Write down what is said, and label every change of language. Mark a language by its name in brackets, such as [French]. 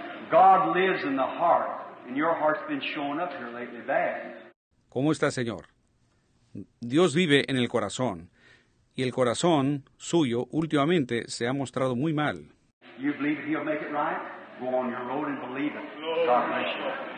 [English] God lives in the heart, and your heart's been showing up here lately bad. [Spanish] ¿Cómo está, señor? Dios vive en el corazón, y el corazón suyo últimamente se ha mostrado muy mal. [English] You believe he'll make it right? Go on your road and believe it. God bless you.